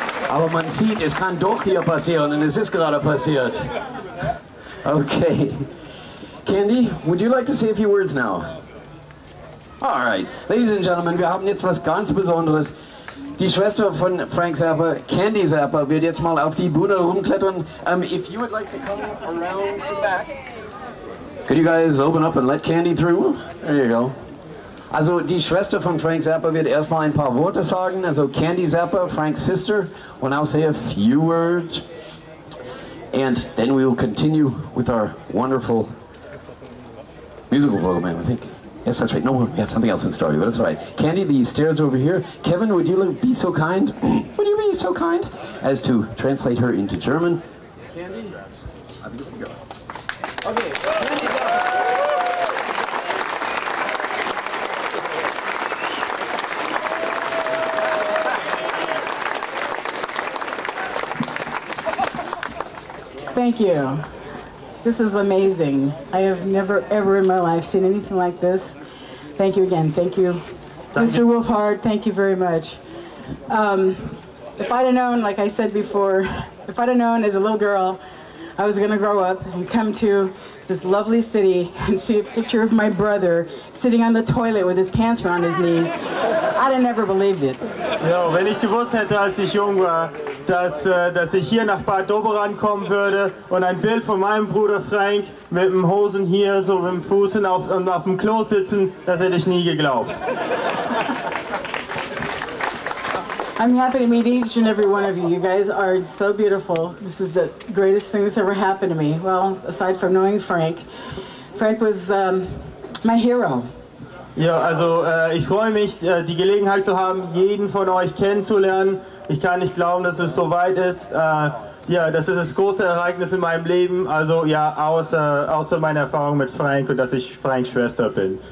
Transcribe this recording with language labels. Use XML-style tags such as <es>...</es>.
<de>Aber man sieht, es kann doch hier passieren, und es ist gerade passiert.</de> <en>Okay. Candy, would you like to say a few words now? All right. Ladies and gentlemen,</en> <de>wir haben jetzt was ganz Besonderes. Die Schwester von Frank Zappa, Candy Zappa, wird jetzt mal auf die Bühne rumklettern.</de> <en>If you would like to come around to the back. Could you guys open up and let Candy through? There you go.</en> <de>Also, die Schwester von Frank Zappa wird erstmal ein paar Worte sagen.</de> <en>Also, Candy Zappa, Frank's sister, will now say a few words. And then we will continue with our wonderful musical program, I think. Yes, that's right. No, we have something else in store, but that's all right. Candy, the stairs over here. Kevin, would you be so kind? Would you be so kind as to translate her into German? Candy? Okay. Thank you. This is amazing. I have never, ever in my life seen anything like this. Thank you again. Thank you. Mr. Wolfhard, thank you very much. If I'd have known, like I said before, If I'd have known as a little girl I was gonna grow up and come to this lovely city and see a picture of my brother sitting on the toilet with his pants around his knees, I'd have never believed it.</en> <de>Ja, wenn ich gewusst hätte, als ich jung war, dass ich hier nach Bad Doberan kommen würde und ein Bild von meinem Bruder Frank mit dem Hosen hier so mit dem Fuß und auf dem Klo sitzen, das hätte ich nie geglaubt.</de> <en>I'm happy to meet each and every one of you. You guys are so beautiful. This is the greatest thing that's ever happened to me. Well, aside from knowing Frank. Frank was my hero.</en> <de>Ja, also ich freue mich, die Gelegenheit zu haben, jeden von euch kennenzulernen. Ich kann nicht glauben, dass es so weit ist. Ja, das ist das große Ereignis in meinem Leben. Also ja, außer meiner Erfahrung mit Frank und dass ich Franks Schwester bin.</de>